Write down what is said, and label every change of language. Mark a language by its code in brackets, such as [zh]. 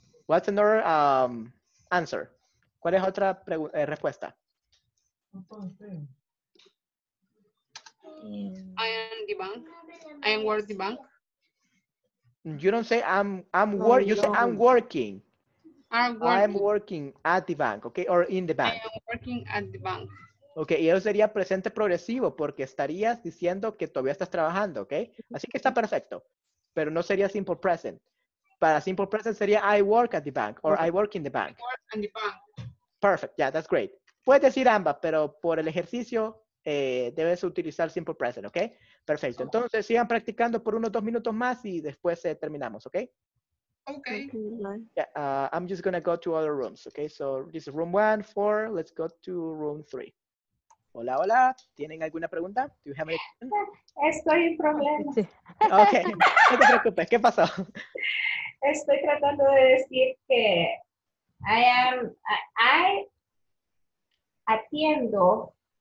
[en] What's another answer? [es] ¿Cuál es otra respuesta? [en] I am the bank. I am work the bank. You don't say I'm working. You say I'm working. I'm working at the bank, okay, or in the bank. I am working at the bank. [es] Okay, y eso sería presente progresivo porque estarías diciendo que todavía estás trabajando, okay? Así que está perfecto, pero no sería simple present. Para simple present sería [en] I work at the bank or I work in the bank. [es] I work in the bank. Perfect, yeah, that's great. Puedes decir ambas, pero por el ejercicio debes utilizar simple present, okay? Perfecto, entonces sigan practicando por unos 2 minutos más y después terminamos, okay? [en] Okay. Yeah, I'm just gonna go to other rooms. Okay, so this is room 1, 4. Let's go to room 3. [es] Hola, hola. ¿Tienen alguna pregunta? [en] Do you have any question? [es] Estoy en problemas. Okay, no te preocupes. ¿Qué pasó? Estoy tratando de decir que I atiendo.